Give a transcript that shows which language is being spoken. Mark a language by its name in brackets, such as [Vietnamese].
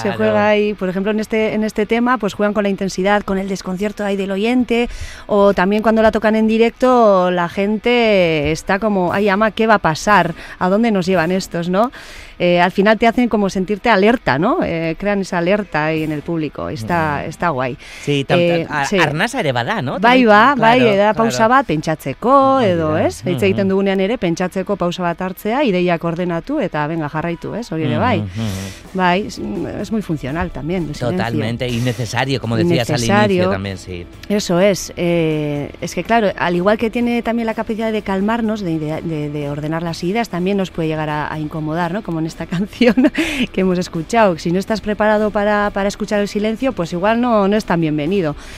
[Spanish] Se juega ahí, por ejemplo, en este tema, pues juegan con la intensidad, con el desconcierto ahí del oyente, o también cuando la tocan en directo, la gente está como, ay, ama, ¿qué va a pasar? ¿A dónde nos llevan estos, no? Al final te hacen como sentirte alerta, ¿no? Crean esa alerta ahí en el público. Está guay. [Basque] Sí, arnasa ere bada, ¿no? Bai, bai, da pausa bat pentsatzeko, edo, ez? Hitz egiten dugunean ere, pentsatzeko pausa bat hartzea, ideiak ordenatu eta venga, jarraitu, ¿eh? Hori ere bai. [Spanish] Bai, es muy funcional también. Totalmente, innecesario, como decías innecesario. Al inicio también, sí. Eso es. Es que claro, al igual que tiene también la capacidad de calmarnos, de ordenar las ideas, también nos puede llegar a incomodar, ¿no? Como en esta canción que hemos escuchado. Si no estás preparado para escuchar el silencio, pues igual no es tan bienvenido.